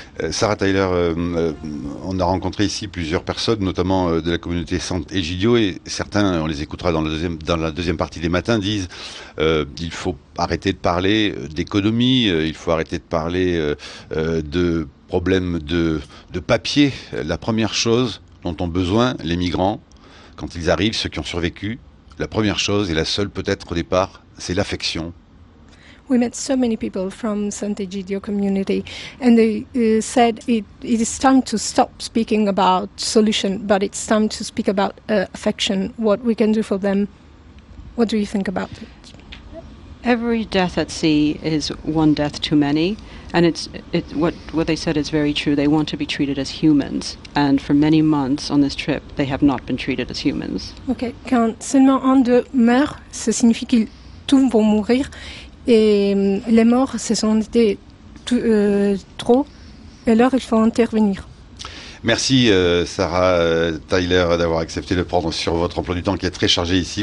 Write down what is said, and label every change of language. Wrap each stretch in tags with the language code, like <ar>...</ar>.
<fr>Sarah Tyler, on a rencontré ici plusieurs personnes, notamment de la communauté Sant'Egidio, et certains, on les écoutera dans la deuxième partie des matins, disent il faut arrêter de parler d'économie, il faut arrêter de parler de problèmes de papier. La première chose dont ont besoin les migrants, quand ils arrivent, ceux qui ont survécu, la première chose et la seule peut-être au départ, c'est l'affection.</fr> <en>We met so many people from Sant'Egidio community, and they said it is time to stop speaking about solution, but it's time to speak about affection, what we can do for them. What do you think about it? Every death at sea is one death too many, and it's what they said is very true. They want to be treated as humans, and for many months on this trip, they have not been treated as humans.</en> <fr>Okay, quand seulement un d'eux meurt, ça signifie qu'ils tous vont mourir. Et les morts se sont été trop, et alors il faut intervenir. Merci Sarah Tyler d'avoir accepté de prendre sur votre emploi du temps qui est très chargé ici.</fr>